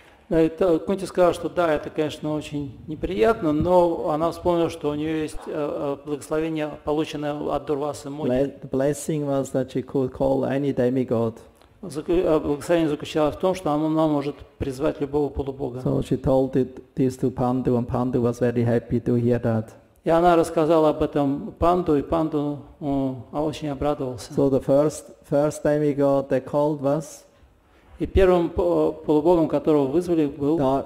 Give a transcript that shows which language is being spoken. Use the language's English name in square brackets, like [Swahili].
[Russian] Кунти сказала, что да, это, конечно, очень неприятно, но она вспомнила, что у нее есть благословение, полученное от Дурвасы Муни. [English] The blessing was that she could call any demigod. [Russian] благословение заключалось в том, что она может призвать любого полубога. [English] So she told it, this to Panda, and Panda was very happy to hear that. [Russian] И она рассказала об этом Панду, и Панду очень обрадовался. [English] So the first time he got the call was. [Russian] И первым полубогом, которого вызвали, был